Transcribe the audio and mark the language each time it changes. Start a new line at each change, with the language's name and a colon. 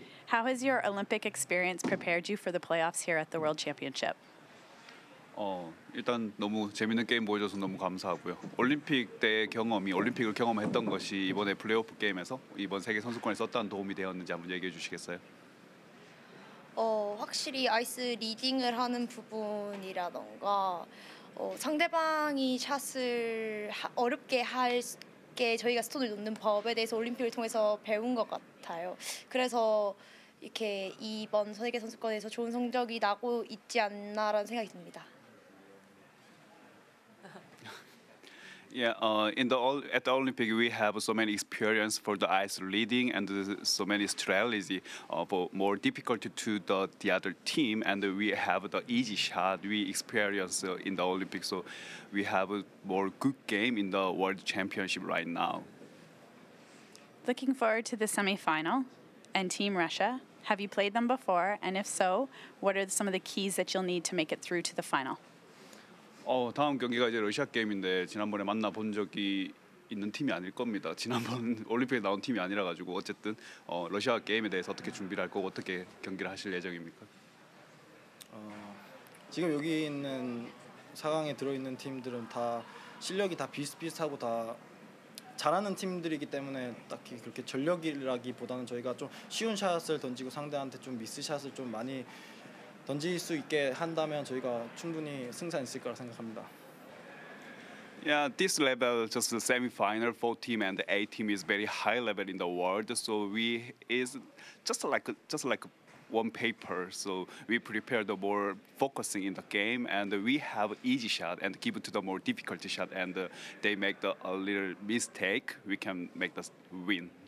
English: How has your Olympic experience prepared you for the playoffs here at the World Championship?
Korean: 일단 너무 재밌는 게임 보여줘서 너무 감사하고요. 올림픽 때 경험이 올림픽을 경험했던 것이 이번에 플레이오프 게임에서 이번 세계 선수권에 썼다는 도움이 되었는지 한번 얘기해 주시겠어요? 확실히 아이스 리딩을 하는 부분이라던가 상대방이 샷을 어렵게 할 저희가 스톤을 놓는 법에 대해서 올림픽을 통해서 배운 것 같아요. 그래서 이렇게 이번 세계 선수권에서 좋은 성적이 나고 있지 않나라는 생각이 듭니다.
English: Yeah, at the Olympic, we have so many experience for the ice leading and so many strategy for more difficult to the other team. And we have the easy shot we experience in the Olympics. So we have a more good game in the World Championship right now. Looking forward to the semifinal and Team Russia. Have you played them before? And if so, what are some of the keys that you'll need to make it through to the final?
Korean: 다음 경기가 이제 러시아 게임인데 지난번에 만나본 적이 있는 팀이 아닐 겁니다. 지난번 올림픽에 나온 팀이 아니라 가지고 어쨌든 러시아 게임에 대해서 어떻게 준비를 할 거고 어떻게 경기를 하실 예정입니까? 지금 여기 있는 4강에 들어있는 팀들은 다 실력이 다 비슷비슷하고 다 잘하는 팀들이기 때문에 딱히 그렇게 전력이라기보다는 저희가 좀 쉬운 샷을 던지고 상대한테 좀 미스 샷을 좀 많이 던질 수 있게 한다면 저희가 충분히 승산 있을 거라 생각합니다.
English: Yeah, this level, just the semi-final, 4 team and 8 team is very high level in the world. So we is just like one paper. So we prepare the more focusing in the game, and we have easy shot and give it to the more difficult shot, and they make a little mistake, we can make the win.